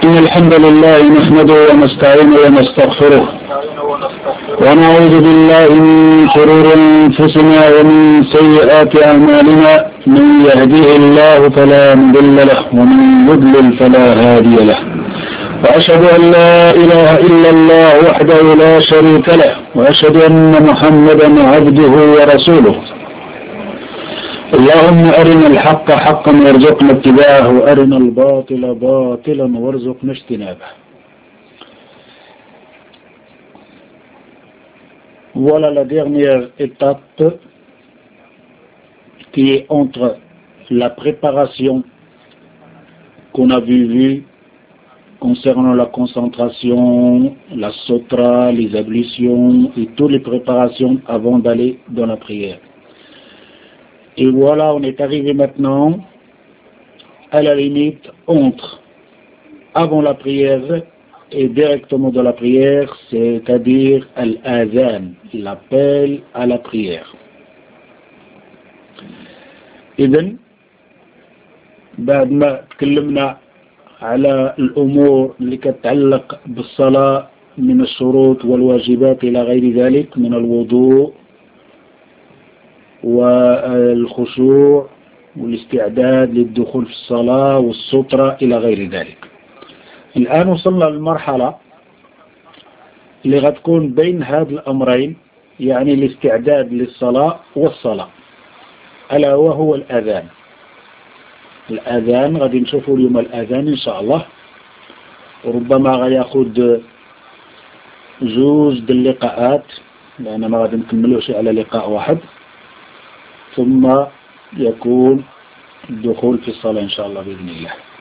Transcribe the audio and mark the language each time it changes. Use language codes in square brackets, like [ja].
[ar] إن الحمد لله نحمده ونستعينه ونستغفره ونعوذ بالله من شرور أنفسنا ومن سيئات أعمالنا، من يهديه الله فلا مضل له ومن يضلل فلا هادي له، وأشهد أن لا إله إلا الله وحده لا شريك له، وأشهد أن محمدا عبده ورسوله. اللهم أرنا الحق حقا وارزقنا اتباعه، وأرنا الباطل باطلا وارزقنا اجتنابه. [fr] Voilà la dernière étape qui est entre la préparation qu'on a vue concernant la concentration, la sotra, les ablutions et toutes les préparations avant d'aller dans la prière. Et voilà, on est arrivé maintenant à la limite entre avant la prière et directement dans la prière, c'est-à-dire al-azan, l'appel à la prière. [ar] Idan, ba'dma tkallamna ala l'umour li kat'allaq bis-salah min ash-shurut wal-wajibat ila ghayri dhalik min al-wudu' والخشوع والاستعداد للدخول في الصلاة والسترة إلى غير ذلك. الآن وصلنا للمرحلة اللي غتكون بين هذ الأمرين، يعني الاستعداد للصلاة والصلاة، ألا وهو الأذان. الأذان غادي نشوفوا اليوم الأذان إن شاء الله، وربما غياخد جوز اللقاءات لأن ما غادي نكملوش على لقاء واحد، ثم يكون الدخول في الصلاة إن شاء الله بإذن الله.